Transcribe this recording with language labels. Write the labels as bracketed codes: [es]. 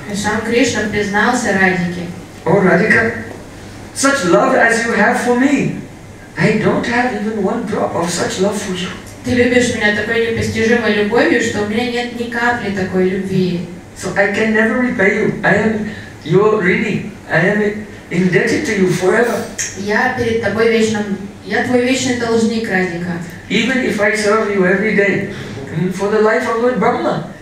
[ru] И сам Кришна признался Радике. [en] О, Радика, such love as you have for me, I don't have even one drop of such love for you. [ru] Ты любишь меня такой непостижимой любовью, что у меня нет ни капли такой любви. [en] So I can never repay you. I am your Rini. I am indebted to you forever. [ru] Я перед тобой вечным. Я твой вечный должник, Радика. [en] Even if I serve you every day for the life of Lord Brahma.